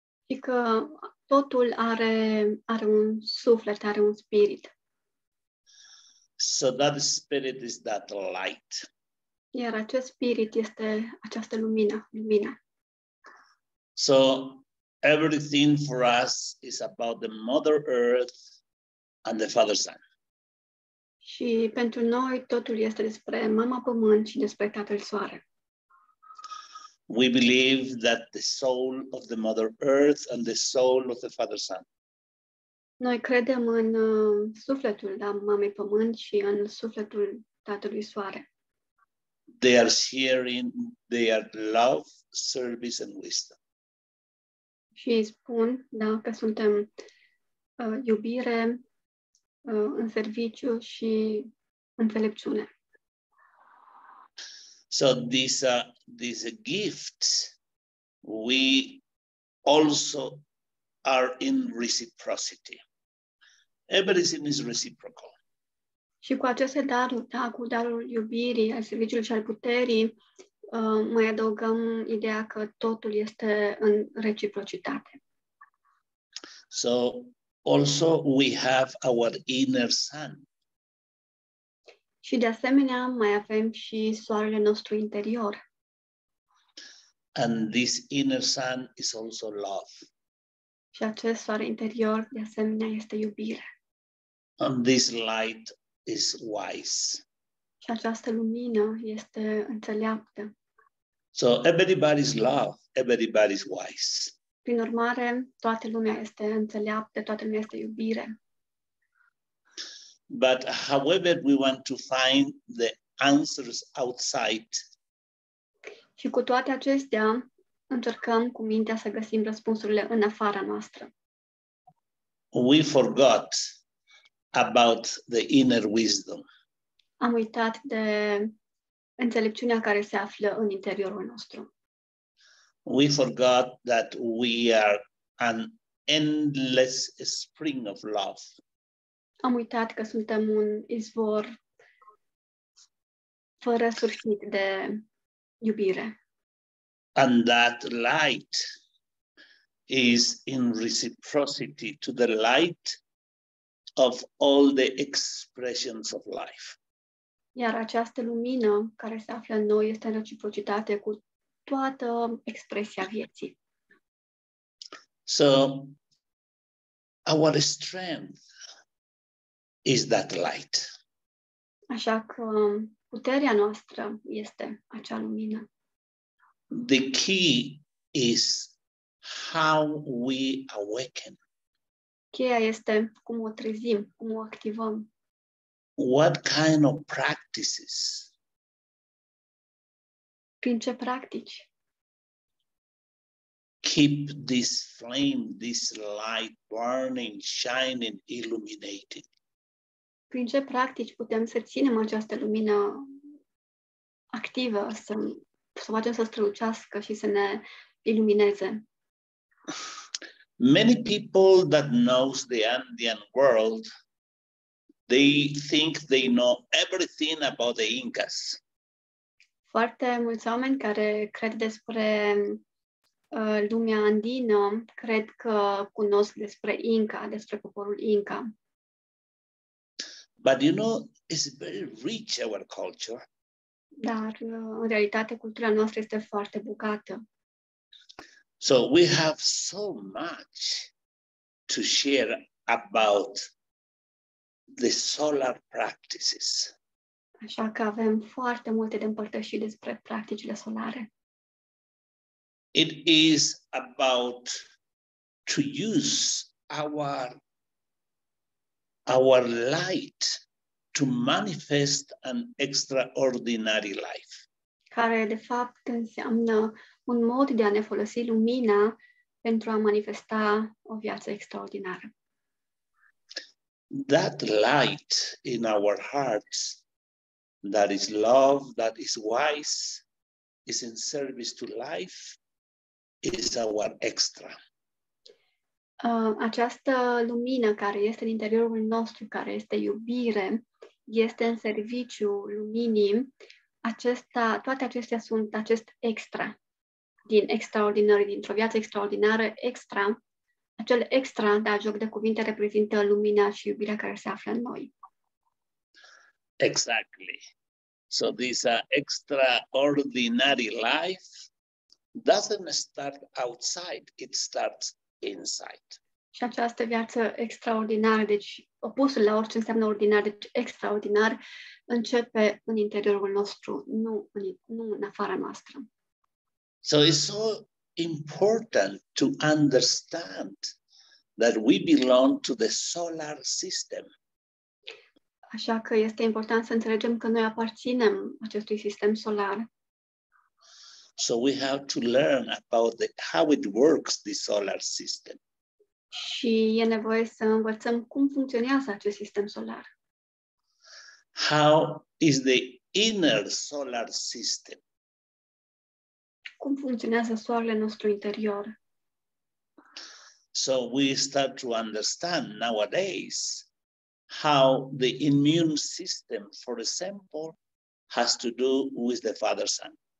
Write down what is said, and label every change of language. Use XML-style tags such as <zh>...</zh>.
<ro>Și că totul are, are un suflet, are un spirit.</ro> <en>So that spirit is that light.</en> <ro>Iar acest spirit este această lumină, lumina.</ro> <en>So everything for us is about the Mother Earth and the Father Son.</en> <ro>Și pentru noi totul este despre Mama Pământ și despre Tatăl Soare.</ro> <en>We believe that the soul of the Mother Earth and the soul of the Father Son.</en> <ro>Noi credem în sufletul de Mamei Pământ și în sufletul Tatălui Soare.</ro> <en>They are sharing their love, service and wisdom.</en> <ro>Și spun, da, că suntem iubire, în serviciu și înțelepciune.</ro> <en>So these gifts, we also are in reciprocity. Everything is reciprocal.</en> <ro>Și cu aceste daruri, da, cu darul iubirii, al serviciului și al puterii, mai adăugăm ideea că totul este în reciprocitate.</ro> <en>So also we have our inner sun.</en> <ro>Și de asemenea mai avem și soarele nostru interior.</ro> <en>And this inner sun is also love.</en> <ro>Și acest soare interior de asemenea este iubire.</ro> <en>And this light is wise.</en> <ro>Și această lumină este înțeleaptă.</ro> <en>So everybody is love, everybody is wise.</en> <ro>Prin urmare, toată lumea este înțeleaptă, toată lumea este iubire.</ro> <en>But however we want to find the answers outside.</en> <ro>Și cu toate acestea, încercăm cu mintea să găsim răspunsurile în afara noastră.</ro> <en>We forgot about the inner wisdom.</en> <ro>Am uitat de înțelepciunea care se află în interiorul nostru.</ro> <en>We forgot that we are an endless spring of love.</en> <ro>Am uitat că suntem un izvor fără sfârșit de iubire.</ro> <en>And that light is in reciprocity to the light of all the expressions of life.</en> <ro>Iar această lumină care se află în noi este în reciprocitate cu toată expresia vieții.</ro> <en>So, our strength is that light.</en> <ro>Așa că puterea noastră este acea lumină.</ro> <en>The key is how we awaken.</en> <ro>Cheia este cum o trezim, cum o activăm.</ro> <en>What kind of practices?</en> <ro>Prin ce practici?</ro> <en>Keep this flame, this light burning, shining, illuminated.</en> <ro>Prin ce practici putem să ținem această lumină activă, să facem să strălucească și să ne ilumineze?</ro> <en>Many people that knows the Andean world, they think they know everything about the Incas.</en> <ro>Foarte mulți oameni care cred despre lumea andină, cred că cunosc despre Inca, despre poporul Inca.</ro> <en>But you know, it's very rich, our culture.</en> <ro>Dar, în realitate, cultura noastră este foarte bogată.</ro> <en>So we have so much to share about the solar practices.</en> <ro>Așa că avem foarte multe de împărtășit despre practicile solare.</ro> <en>It is about to use our light to manifest an extraordinary life.</en> <ro>Care de fapt înseamnă un mod de a ne folosi lumina pentru a manifesta o viață extraordinară.</ro> <en>That light in our hearts, that is love, that is wise, is in service to life, is our extra.</en> <ro>Această lumină care este în interiorul nostru, care este iubire, este în serviciu luminii, acesta, toate acestea sunt acest extra, din extraordinar, dintr-o viață extraordinară, extra, acel extra, dar joc de cuvinte, reprezintă lumina și iubirea care se află în noi.</ro> <en>Exactly. So this extraordinary life doesn't start outside, it starts inside.</en> <ro>Și această viață extraordinară, deci opusul la orice înseamnă ordinar, deci extraordinar, începe în interiorul nostru, nu în afara noastră.</ro> <en>So it's so important to understand that we belong to the solar system.</en> <ro>Așa că este important să înțelegem că noi aparținem acestui sistem solar.</ro> <en>So we have to learn about how it works, the solar system.</en> <ro>Și e nevoie să învățăm cum funcționează acest sistem solar.</ro> <en>How is the inner solar system?</en> <ro>Cum funcționează soarele nostru interior?</ro> <en>So we start to understand nowadays how the immune system, for example, has to do with the father son.</en>